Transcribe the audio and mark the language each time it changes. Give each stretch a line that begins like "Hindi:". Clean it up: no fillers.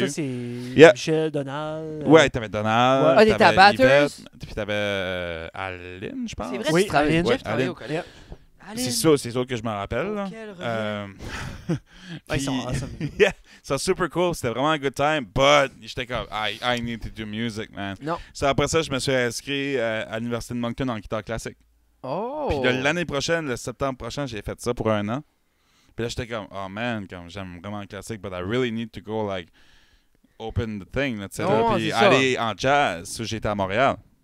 French: Ça, c'est Michel, Donald. Ouais, t'avais Donald. Ouais. Ah, t'avais Batters. Puis t'avais Aline, je pense. C'est vrai, c'est Aline. Je travaillais au collège. C'est ça que je m'en rappelle. Là. Ouais, ils sont awesome. Yeah, c'est super cool. C'était vraiment un
English: good time. But
French: j'étais comme,
English: I need to do music, man.
French: Non. So, après ça, je me suis inscrit à l'Université de Moncton en guitare classique. Oh. Puis de l'année prochaine, le septembre prochain, j'ai fait ça pour un an. Puis là, j'étais comme, oh man, comme, j'aime vraiment le classique,
English: but I really need to go like open the thing, etc.
French: Puis aller en jazz. So, j'étais à Montréal.